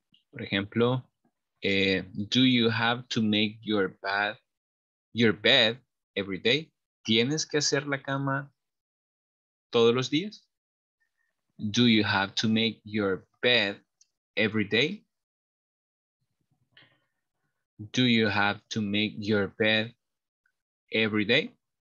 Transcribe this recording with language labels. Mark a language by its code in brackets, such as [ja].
[es] Por ejemplo, [en] do you have to make your bed every day? [es] ¿Tienes que hacer la cama todos los días? [en] Do you have to make your bed every day? Do you have to make your bed every day?